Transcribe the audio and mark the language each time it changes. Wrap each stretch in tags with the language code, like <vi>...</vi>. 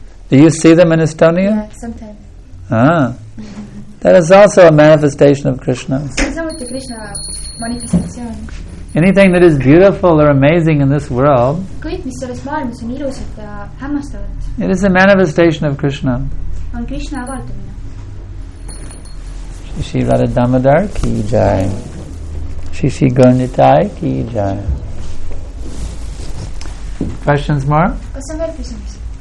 <en>Do you see them in Estonia? Yeah, sometimes. Ah, that is also a manifestation of Krishna.</en> <et>suurte Krishna manifestatsioon.</et> <en>Anything that is beautiful or amazing in this world,</en> <et>kõik, mis selles maailmas on ilusat ja hämmastavat,</et> <en>it is a manifestation of Krishna.</en> <et>On Krishna avaldumine.</et> <hi>Shri Radha Damodar ki jai. Shri Shri Gurnitai ki jai.</hi> <en>Questions more?</en> <et>Kas on veel küsimus?</et>